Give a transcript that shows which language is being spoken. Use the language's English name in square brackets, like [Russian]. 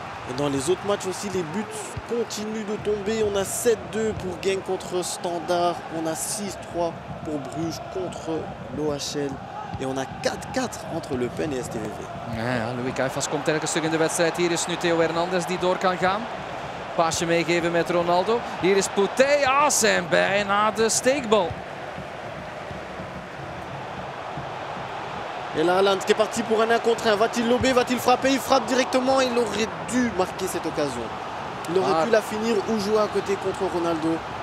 [French] Et dans les autres matchs aussi, les buts continuent de tomber. On a 7-2 pour Genk contre Standard. On a 6-3 pour Bruges contre l'OHL. Et on a 4-4 entre Le Pen et STVV. [Dutch] Ja, Louis Kuifas komt telkens terug in de wedstrijd. Hier is nu Theo Hernandez die door kan gaan. Paasje meegeven met Ronaldo. Hier is Puteas en bijna de steekbal. [French] Et là, Haaland qui est parti pour un 1 contre 1. Va-t-il lober? Va-t-il frapper? Il frappe directement. Il aurait dû marquer cette occasion. Il aurait pu la finir ou jouer à côté contre Ronaldo.